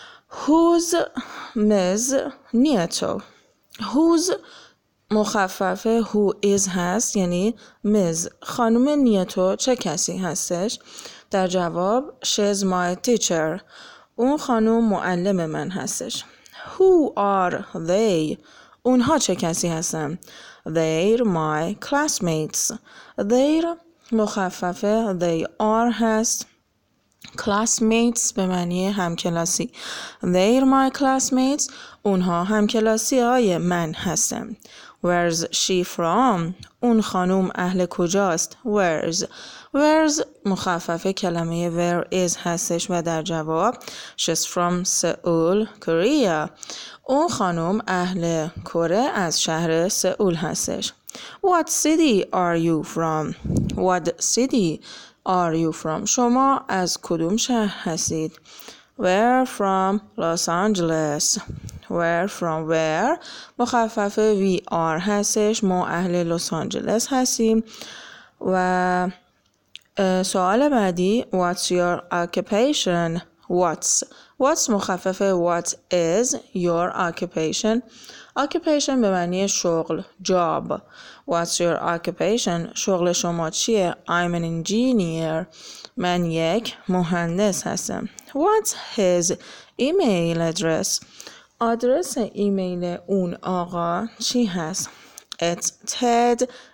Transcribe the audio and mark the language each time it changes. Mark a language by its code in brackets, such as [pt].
[fa] هوز مز نیتو، هوز مخففه [en] who is [fa] هست، یعنی میز خانم نیتو چه کسی هستش؟ در جواب [en] she's my teacher، [fa] اون خانم معلم من هستش. [en] Who are they؟ [fa] اونها چه کسی هستن؟ [en] They're my classmates. [fa] They're مخففه [en] they are [fa] هست، classmates به معنی همکلاسی. [en] They're my classmates، [fa] اونها همکلاسی های من هستن. [en] Where's she from؟ [fa] اون خانوم اهل کجاست؟ [en] Where's؟ Where's [fa] مخففه کلمه [en] where is [fa] هستش و در جواب [en] She's from Seoul, Korea. [fa] اون خانوم اهل کره از شهر سئول هستش. [en] What city are you from؟ What city are you from؟ [fa] شما از کدوم شهر هستید؟ [en] Where from Los Angeles. Where from [fa] where مخفف [en] we are [fa] هستش، ما اهل لس آنجلس هستیم. و سوال بعدی [en] what's your occupation، what's مخفف what is your occupation. [fa] Occupation به معنی شغل، job. [en] What's your occupation، [fa] شغل شما چیه؟ [en] I'm an engineer، [fa] من یک مهندس هستم. [en] What's his email address، [fa] آدرس ایمیل اون آقا چی هست؟ [en] It's ted@kr.com.